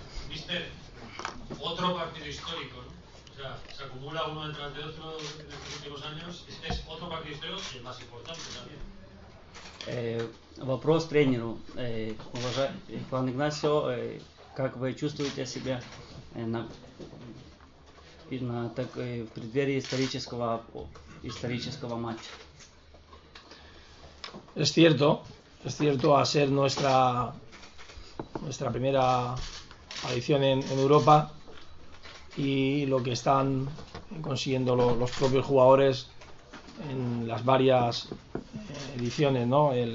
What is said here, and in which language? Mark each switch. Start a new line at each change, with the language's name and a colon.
Spanish: Mister, otro partido histórico, ¿no? O sea, se acumula uno detrás de otro en los últimos años. Este es otro partido histórico y el más importante también.
Russian: Вопрос тренеру, уважаемый Иван Игнасио, как вы чувствуете себя в преддверии исторического матча?
Spanish: Es cierto, al ser nuestra primera aparición en Europa y lo que están consiguiendo los propios jugadores en las varias ediciones, ¿no?